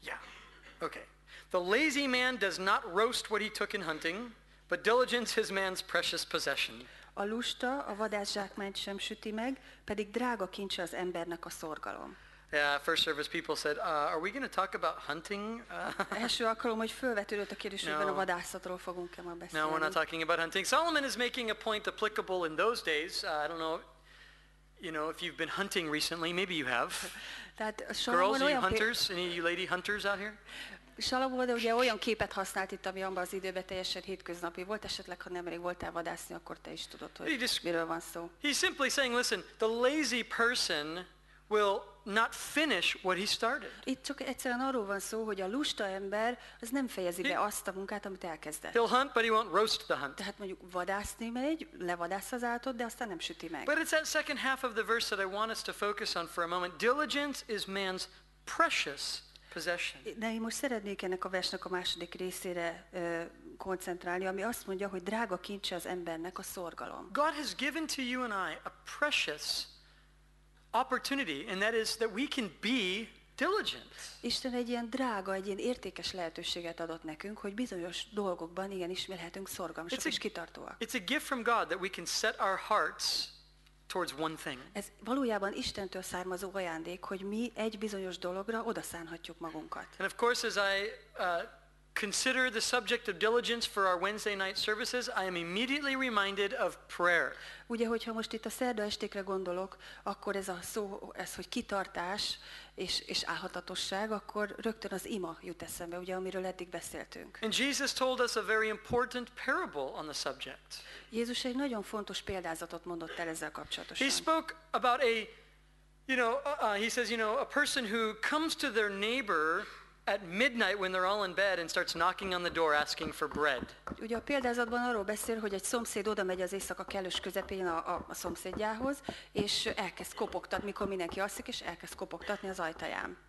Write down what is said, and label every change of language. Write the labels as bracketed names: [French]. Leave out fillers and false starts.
[English] Yeah. Okay. The lazy man does not roast what he took in hunting, but diligence is man's precious possession. [Hungarian] A lusta a vadászsákmányt sem süti meg, pedig drága kincse az embernek a szorgalom. [English] Yeah, first service people said, are we going to talk about hunting? [Hungarian] Első alkalom, hogy felvetődött a kérdés, hogy a vadászatról fogunk-e ma beszélni. [English] No, we're not talking about hunting. Solomon is making a point applicable in those days. I don't know, you know, if you've been hunting recently, maybe you have. Girls, are you hunters? Any of you lady hunters out here? [Hungarian] Salomon ugye olyan képet használt itt, ami abban az időben teljesen hétköznapi volt, esetleg ha nemrég voltál vadászni, akkor te is tudod, hogy miről van szó. [English] He's simply saying, listen, the lazy person will not finish what he started. [Hungarian] Itt csak egyszerűen arról van szó, hogy a lusta ember az nem fejezi be azt a munkát, amit elkezdett. [English] He'll hunt, but he won't roast the hunt. [Hungarian] Tehát mondjuk vadászni megy, levadász az állatot, de aztán nem süti meg. [English] But it's that second half of the verse that I want us to focus on for a moment. Diligence is man's precious possession. [Hungarian] De én most szeretnék ennek a versnek a második részére koncentrálni, ami azt mondja, hogy drága kincse az embernek a szorgalom. [English] God has given to you and I a precious opportunity, and that is that we can be diligent. [Hungarian] Isten egy ilyen drága, egy ilyen értékes lehetőséget adott nekünk, hogy bizonyos dolgokban igen ismerhetünk szorgalmasak és kitartóak. [English] It's a gift from God that we can set our hearts towards one thing. [Hungarian] Ez valójában Istentől származó ajándék, hogy mi egy bizonyos dologra odaszánhatjuk magunkat. [English] And of course, as I consider the subject of diligence for our Wednesday night services, I am immediately reminded of prayer. [Hungarian] Ugye, hogyha most itt a szerda estékre gondolok, akkor ez a szó, ez, hogy kitartás és álhatatosság, akkor rögtön az ima jut eszembe, ugye, amiről eddig beszéltünk. [English] And Jesus told us a very important parable on the subject. [Hungarian] Jézus egy nagyon fontos példázatot mondott el ezzel kapcsolatosan. [English] He spoke about a, you know, he says, you know, a person who comes to their neighbor at midnight when they're all in bed and starts knocking on the door asking for bread. [Hungarian] Ugye a példázatban arról beszél, hogy egy szomszéd oda megy az éjszaka kellős közepén a szomszédjához, és elkezd kopogtatni, mikor mindenki alszik, és elkezd kopogtatni az ajtaján.